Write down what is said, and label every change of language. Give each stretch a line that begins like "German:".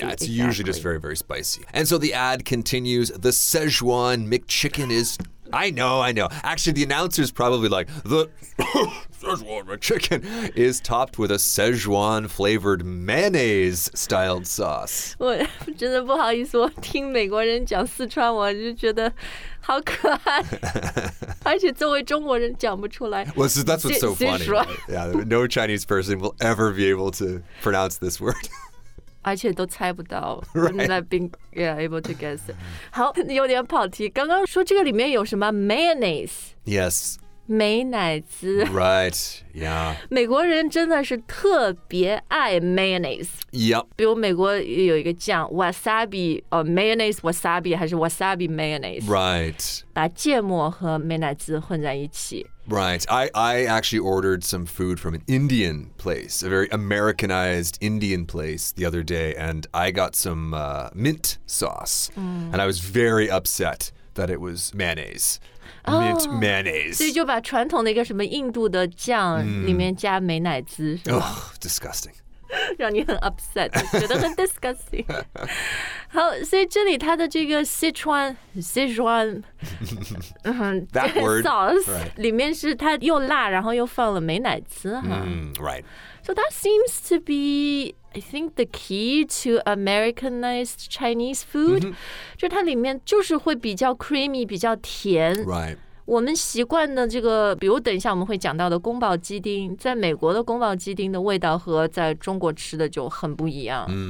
English: yeah it's、 exactly. usually just very very spicy and so the ad continues the Szechuan McChicken is I know actually the announcer is probably like the Szechuan McChicken is topped with a Szechuan flavored mayonnaise styled sauce.
Chinese: 我真的不好意思，我听美国人讲四川，我就觉得好可爱。而且作为中国人讲不出来。
English: Well, so that's what's so funny. Yeah, no Chinese person will ever be able to pronounce this word.
Chinese: 而且都猜不到
English: right. not being able to guess.
Chinese: 好，有点跑题。刚刚说这个里面有什么 mayonnaise?
English: Yes.
Chinese: 美乃滋
English: Right, yeah.
Chinese: 美国人真的是特别爱 mayonnaise.
English: Yep.
Chinese: 比如美国有一个酱 wasabi, mayonnaise wasabi, 还是 wasabi mayonnaise.
English: Right.
Chinese: 把芥末和美乃滋混在一起。
English: Right. I actually ordered some food from an Indian place, a very Americanized Indian place the other day, and I got some mint sauce. And I was very upset that it was mayonnaise. Mint mayonnaise.
Chinese: 所以就把传统的一个什么印度的酱里面加美乃滋是吧
English: Oh, disgusting.
Chinese: 让你很 upset, 觉得很 disgusting. 好所以这里它的这个 Sichuan,
English: that word,
Chinese: sauce, 里面是它又辣然后又放了美乃滋哈
English: Right. So that seems to be... I think the key to Americanized Chinese food,、mm-hmm.
Chinese: 就它里面就是会比较 creamy, 比较甜。
English: Right.
Chinese: 我们习惯的这个，比如等一下我们会讲到的宫保鸡丁，在美国的宫保鸡丁的味道和在中国吃的就很不一样。